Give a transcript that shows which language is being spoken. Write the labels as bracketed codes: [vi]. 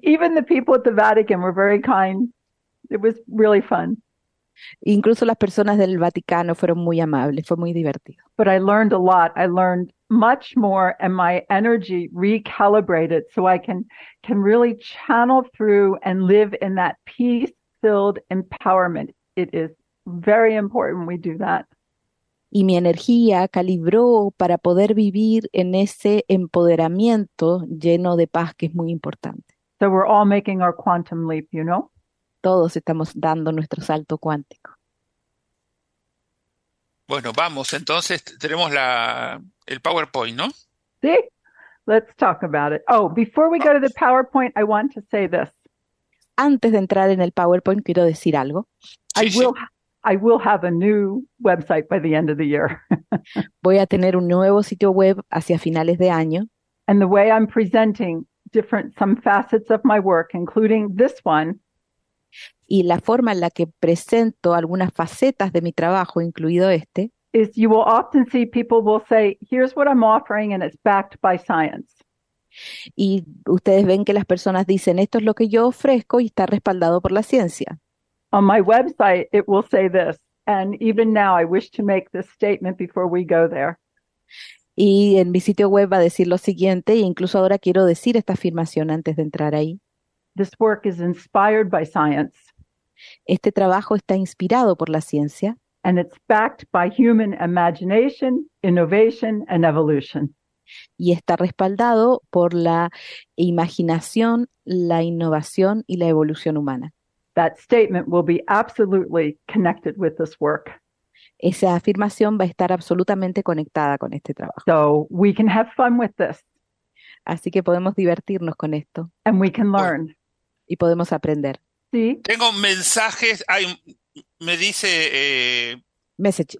[en] Even the people at the Vatican were very kind. It was really fun. [es] Incluso las personas del Vaticano fueron muy amables, fue muy divertido. [en] But I learned a lot. I learned much more and my energy recalibrated so I can really channel through and live in that peace-filled empowerment. It is very important we do that. [es] Y mi energía calibró para poder vivir en ese empoderamiento lleno de paz que es muy importante. [en] So we're all making our quantum leap, you know? [es] Todos estamos dando nuestro salto cuántico. Bueno, vamos, entonces tenemos el PowerPoint, ¿no? [en] Sí, let's talk about it. Oh, before we go to the PowerPoint, I want to say this. [es] Antes de entrar en el PowerPoint, quiero decir algo. Sí, [en] I will have a new website by the end of the year. [es] Voy a tener un nuevo sitio web hacia finales de año. [en] And the way I'm presenting some facets of my work, including this one, [es] y la forma en la que presento algunas facetas de mi trabajo, incluido este, [en] is you will often see people will say, here's what I'm offering and it's backed by science. [es] Y ustedes ven que las personas dicen, esto es lo que yo ofrezco y está respaldado por la ciencia. [en] On my website, it will say this, and even now I wish to make this statement before we go there. [es] Y en mi sitio web va a decir lo siguiente, e incluso ahora quiero decir esta afirmación antes de entrar ahí. [en] This work is inspired by science. [es] Este trabajo está inspirado por la ciencia. [en] And it's backed by human imagination, innovation, and evolution. [es] Y está respaldado por la imaginación, la innovación y la evolución humana. [en] That statement will be absolutely connected with this work. [es] Esa afirmación va a estar absolutamente conectada con este trabajo. [en] So we can have fun with this. [es] Así que podemos divertirnos con esto. [en] And we can learn. [es] Y podemos aprender. ¿Sí? Tengo mensajes. Me dice [en] message.